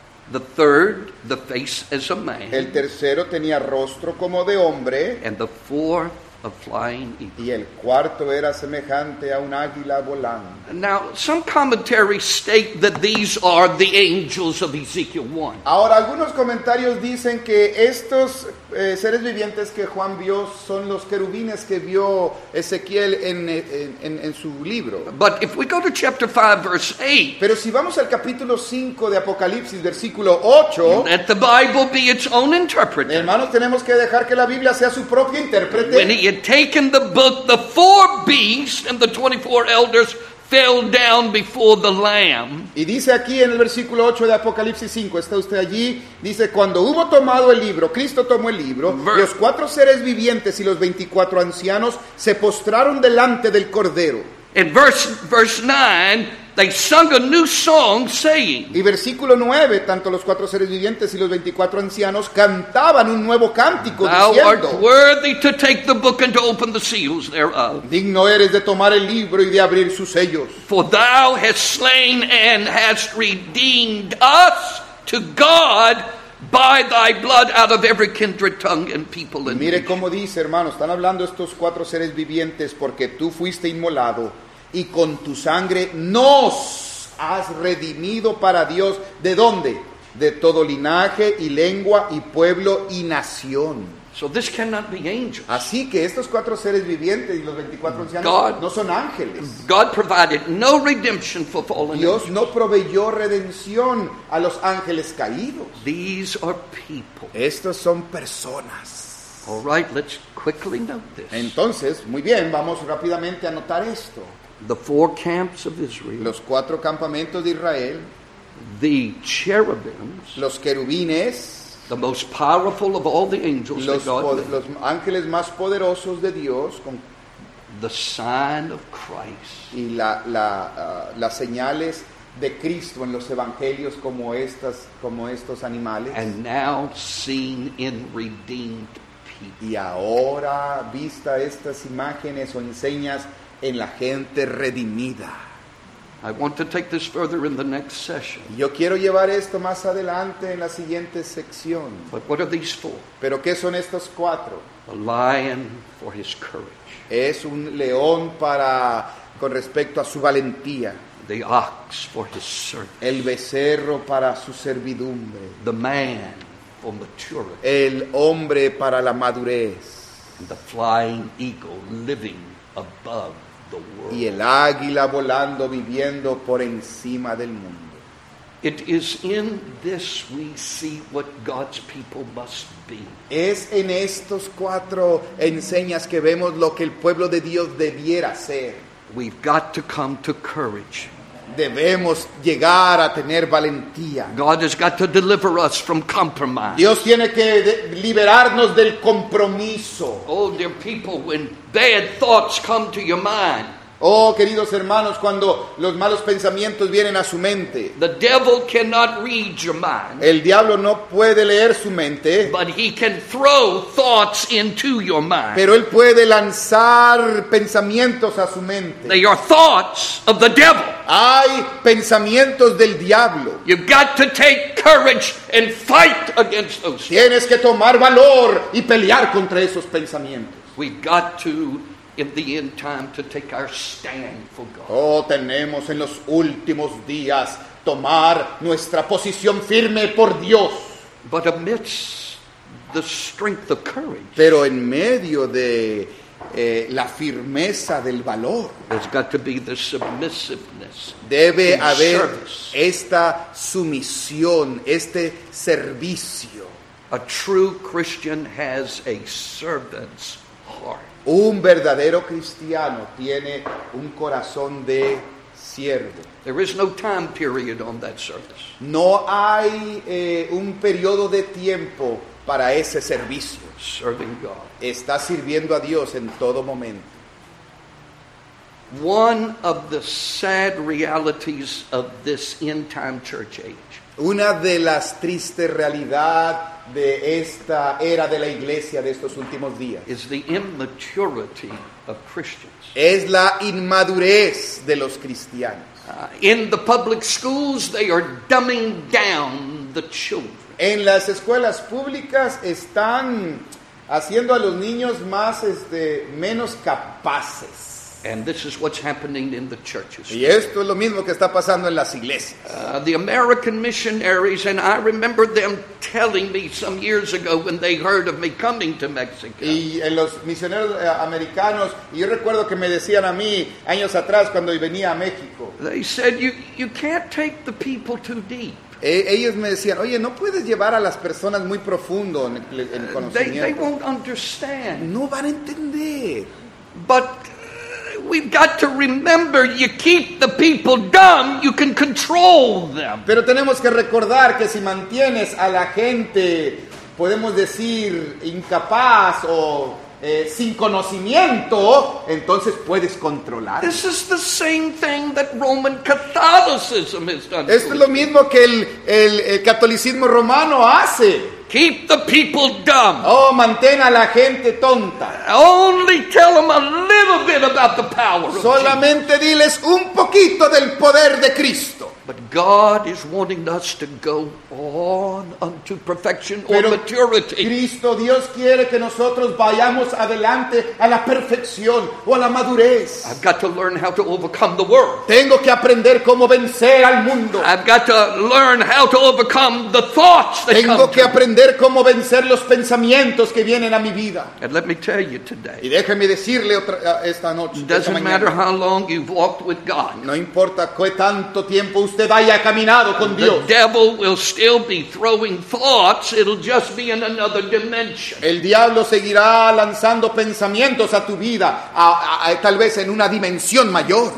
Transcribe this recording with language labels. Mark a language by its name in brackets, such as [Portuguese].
[English] The third, the face as a man. [Spanish] El tercero tenía rostro como de hombre. [English] And the fourth, a flying eagle. [Spanish] Y el cuarto era semejante a un águila volando. [English] Now, some commentaries state that these are the angels of Ezekiel 1. [Spanish] Ahora, algunos comentarios dicen que estos seres vivientes que Juan vio son los querubines que vio Ezequiel en su libro. [English] But if we go to chapter 5 verse 8. [Spanish] Pero si vamos al capítulo 5 de Apocalipsis versículo 8. [English] Let the Bible be its own interpreter. [Spanish] Hermanos, tenemos que dejar que la Biblia sea su propia intérprete. [English] When he had taken the book, the four beasts and the 24 elders fell down before the Lamb. [Spanish] Y dice aquí en el versículo 8 de Apocalipsis 5, está usted allí, dice, cuando hubo tomado el libro, Cristo tomó el libro, los cuatro seres vivientes y los 24 ancianos se postraron delante del Cordero. [English] In verse 9, they sung a new song saying. [Spanish] Y versículo 9, tanto los cuatro seres vivientes y los 24 ancianos cantaban un nuevo cántico [English] Thou [Spanish] diciendo. [English] Thou art worthy to take the book and to open the seals thereof. [Spanish] Digno eres de tomar el libro y de abrir sus sellos. [English] For thou hast slain and hast redeemed us to God by thy blood out of every kindred tongue and people and [Spanish] mire [English] nation. [Spanish] Cómo dice, hermano, están hablando estos cuatro seres vivientes porque tú fuiste inmolado y con tu sangre nos has redimido para Dios. ¿De dónde? De todo linaje y lengua y pueblo y nación. [English] So this cannot be angels. [Spanish] Así que estos cuatro seres vivientes y los 24 ancianos [English] God, [Spanish] no son ángeles. [English] God provided no redemption for fallen [Spanish] Dios [English] angels. [Spanish] No proveyó redención a los ángeles caídos. [English] These are people. [Spanish] Estos son personas. [English] All right, let's quickly note this. [Spanish] Entonces, muy bien, vamos rápidamente a notar esto. [English] The four camps of Israel. [Spanish] Los cuatro campamentos de Israel. [English] The cherubims. [Spanish] Los querubines. [English] The most powerful of all the angels [Spanish] los, [English] that God made. [Spanish] Los ángeles más poderosos de Dios. Con [English] the sign of Christ. [Spanish] Y las señales de Cristo en los evangelios como estas, como estos animales. [English] And now seen in redeemed people. [Spanish] Y ahora vista estas imágenes o enseñas en la gente redimida. [English] I want to take this further in the next session. [Spanish] Yo quiero llevar esto más adelante en la siguiente sección. [English] But what are these four? [Spanish] ¿Pero qué son estos cuatro? [English] A lion for his courage. [Spanish] Es un león para con respecto a su valentía. [English] The ox for his service. [Spanish] El becerro para su servidumbre. [English] The man for maturity. [Spanish] El hombre para la madurez. [English] and the flying eagle living above the world. [Spanish] Y el águila volando, viviendo por encima del mundo. [English] It is in this we see what God's people must be. [Spanish] Es en estos cuatro enseñas que vemos lo que el pueblo de Dios debiera ser. [English] We've got to come to courage. [Spanish] Debemos llegar a tener valentía. [English] God has got to deliver us from compromise. [Spanish] Dios tiene que liberarnos del compromiso. [English] Oh, dear people, when bad thoughts come to your mind. [Spanish] Oh, queridos hermanos, cuando los malos pensamientos vienen a su mente. [English] The devil cannot read your mind. [Spanish] El diablo no puede leer su mente. [English] But he can throw thoughts into your mind. [Spanish] Pero él puede lanzar pensamientos a su mente. [English] They are thoughts of the devil. [Spanish] Hay pensamientos del diablo. [English] You've got to take courage and fight against those. [Spanish] Tienes que tomar valor y pelear contra esos pensamientos. [English] We've got to, in the end time, to take our stand for God. [Spanish] Oh, tenemos en los últimos días tomar nuestra posición firme por Dios. [English] But amidst the strength of courage, [Spanish] pero en medio de la firmeza del valor, [English] there's got to be the submissiveness. [Spanish] Debe haber esta sumisión, este servicio. [English] A true Christian has a servant's heart. [Spanish] Un verdadero cristiano tiene un corazón de siervo. [English] There is no time period on that service. [Spanish] No hay un periodo de tiempo para ese servicio. [English] Serving God. [Spanish] Está sirviendo a Dios en todo momento. [English] One of the sad realities of this end time church age. [Spanish] Una de las tristes realidades de esta era de la iglesia de estos últimos días [English] is the immaturity of Christians. [Spanish] Es la inmadurez de los cristianos. [English] In the public schools, they are dumbing down the children. [Spanish] En las escuelas públicas están haciendo a los niños más menos capaces. [English] And this is what's happening in the churches. [Spanish] Y esto es lo mismo que está pasando en las iglesias. [English] The American missionaries, and I remember them telling me some years ago when they heard of me coming to Mexico. [Spanish] Y los misioneros americanos, y yo recuerdo que me decían a mí años atrás cuando venía a México. [English] They said, you can't take the people too deep. [Spanish] Ellos me decían, oye, no puedes llevar a las personas muy profundo en el conocimiento. [English] They won't understand. [Spanish] No van a entender. [English] But we've got to remember, you keep the people dumb, you can control them. [Spanish] Pero tenemos que recordar que si mantienes a la gente, podemos decir, incapaz o sin conocimiento, entonces puedes controlar. [English] This is the same thing that Roman Catholicism has done. [Spanish] Esto es lo mismo que el catolicismo romano hace. [English] Keep the people dumb. [Spanish] Oh, mantén a la gente tonta. [English] Only tell them a little bit about the power of Jesus. [Spanish] Solamente diles un poquito del poder de Cristo. [English] But God is wanting us to go on unto perfection or maturity. [Spanish] Cristo, Dios quiere que nosotros vayamos adelante a la perfección o a la madurez. [English] I've got to learn how to overcome the world. [Spanish] Tengo que aprender cómo vencer al mundo. [English] I've got to learn how to overcome the thoughts that [Spanish] tengo [English] come [Spanish] que aprender cómo vencer los pensamientos que vienen a mi vida. [English] And let me tell you today. [Spanish] Y déjeme decirle esta noche. [English] It doesn't matter how long you've walked with God. [Spanish] No importa qué tanto tiempo usted haya caminado con Dios. [English] The devil will still be throwing thoughts. It'll just be in another dimension. [Spanish] El diablo seguirá lanzando pensamientos a tu vida, tal vez en una dimensión mayor.